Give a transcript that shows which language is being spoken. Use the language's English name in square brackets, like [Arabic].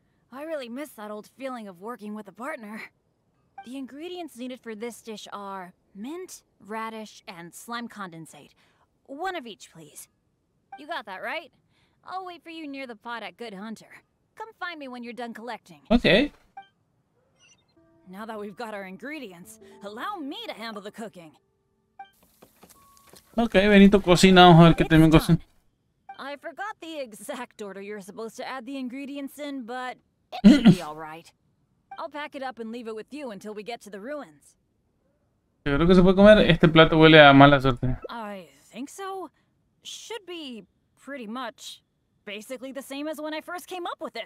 [English] I really miss that old feeling of working with a partner. The ingredients needed for this dish are mint, radish, and slime condensate. One of each, please. You got that right? I'll wait for you near the pot at Good Hunter. Come find me when you're done collecting. Okay. Now that we've got our ingredients, allow me to handle the cooking. [Spanish] Okay, Benito cocina, vamos a ver qué también cocina. [English] I forgot the exact order you're supposed to add the ingredients in, but it should be all right. I'll pack it up and leave it with you until we get to the ruins. [Spanish] Yo creo que se puede comer. Este plato huele a mala suerte. [English] I think so. Should be pretty much basically the same as when I first came up with it.